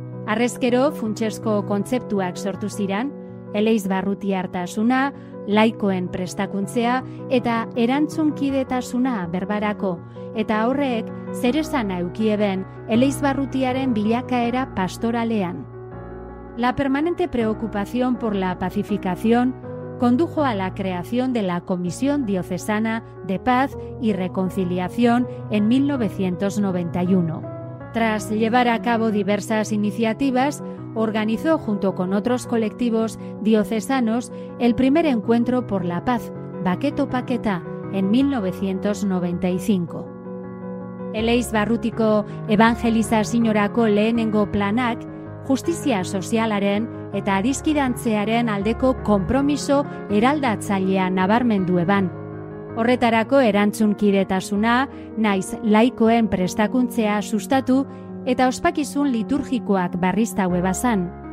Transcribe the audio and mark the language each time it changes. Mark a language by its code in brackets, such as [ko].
[eu] Harrezkero, funtsezko kontzeptuak sortu ziren, eleizbarrutiartasuna, laikoen prestakuntzea eta erantzunkidetasuna berbarako, eta horrek zeresana eukieben eleizbarrutiaren bilakaera pastoralean. [es] La permanente preocupación por la pacificación condujo a la creación de la Comisión Diocesana de Paz y Reconciliación en 1991. Tras llevar a cabo diversas iniciativas, organizó junto con otros colectivos diocesanos el primer encuentro por la paz, Baketo Paketa, en 1995. [eu] Eleizbarrutiko evangelizaziorako lehenengo planak, justizia sozialaren eta adiskidantzearen aldeko konpromiso eraldatzailea nabarmendu eban. Horretarako erantzunkidetasuna, naiz laikoen prestakuntzea sustatu eta ospakizun liturgikoak barriztau ebasan.